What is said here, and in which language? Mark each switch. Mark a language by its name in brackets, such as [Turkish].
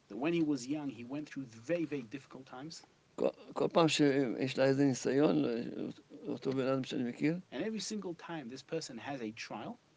[English] That when he was young, he went through very, very difficult times. [Hebrew] כל פעם שיש לה איזה ניסיון, אותו בן אדם שאני מכיר. [English] And every single time this person has a trial.